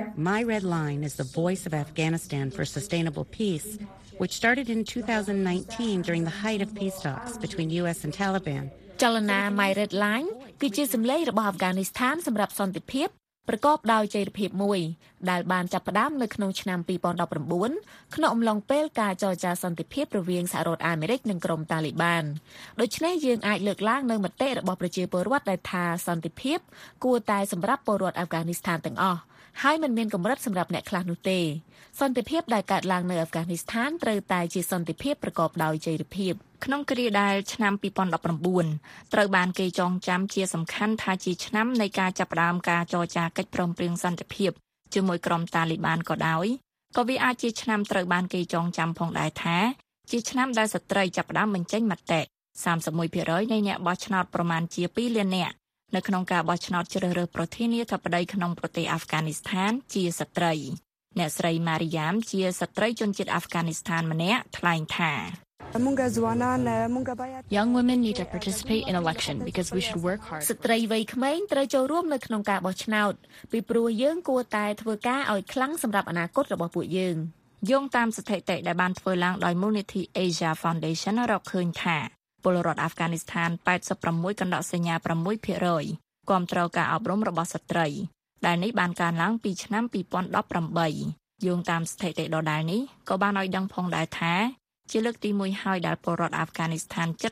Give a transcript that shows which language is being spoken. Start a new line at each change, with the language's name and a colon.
English: My Red Line is the voice of Afghanistan for sustainable peace, which started in 2019 during the height of peace talks between US and Taliban.
Khmer: ចលនា My Red Line គឺជាសម្លេងរបស់អាហ្វហ្គានីស្ថានសម្រាប់សន្តិភាព ប្រកបដោយចីរភាពមួយដែលបានចាប់ផ្ដើមនៅក្នុងឆ្នាំ2019ក្នុងអំឡុងពេលការចរចាសន្តិភាពរវាងសហរដ្ឋអាមេរិកនិងក្រុមតាលីបានដូច្នេះយើងអាចលើកឡើងនៅមតិរបស់ប្រជាពលរដ្ឋដែលថាសន្តិភាពគួរតែសម្រាប់ពលរដ្ឋអាហ្វហ្គានីស្ថានទាំងអស់ហើយមិនមានកម្រិតសម្រាប់អ្នកខ្លះនោះទេសន្តិភាពដែលកើតឡើងនៅអាហ្វហ្គានីស្ថានត្រូវតែជាសន្តិភាពប្រកបដោយចីរភាព ក្នុងគ្រាដែលឆ្នាំ2019ត្រូវបានគេចងចាំជាសំខាន់ថាជាឆ្នាំនៃការចាប់ផ្ដើមការចរចាកិច្ចព្រមព្រៀងសន្តិភាពជាមួយក្រុមតាលីបានក៏ដោយក៏វាអាចជាឆ្នាំត្រូវបានគេចងចាំផងដែរថាជាឆ្នាំដែលស្ត្រីចាប់ផ្ដើមបញ្ចេញមតិ 31% នៃអ្នកបោះឆ្នោតប្រមាណជា2លាននាក់នៅក្នុងការបោះឆ្នោតជ្រើសរើសប្រធានាធិបតីក្នុងប្រទេសអាហ្វហ្គានីស្ថានជាស្ត្រីអ្នកស្រីម៉ារីយ៉ាមជាស្ត្រីជនជាតិអាហ្វហ្គានីស្ថានម្នាក់ថ្លែងថា
English: Young women need to participate in election because we should work hard.
Khmer: ស្ត្រីវ័យក្មេងត្រូវចូលរួមនៅក្នុងការបោះឆ្នោតពីព្រោះយើងគួរតែធ្វើការឲ្យខ្លាំងសម្រាប់អនាគតរបស់ពួកយើង យោងតាមស្ថិតិដែលបានធ្វើឡើងដោយមូលនិធិ Asia Foundation រកឃើញថាពលរដ្ឋអាហ្វហ្គានីស្ថាន 86.6% គាំទ្រការអប់រំរបស់ស្ត្រីដែលនេះបានកើនឡើងពីឆ្នាំ2018យោងតាមស្ថិតិដដែលនេះក៏បានឲ្យដឹងផងដែរថាជាលើកទី1ហើយដែលពលរដ្ឋអាហ្វហ្គានីស្ថាន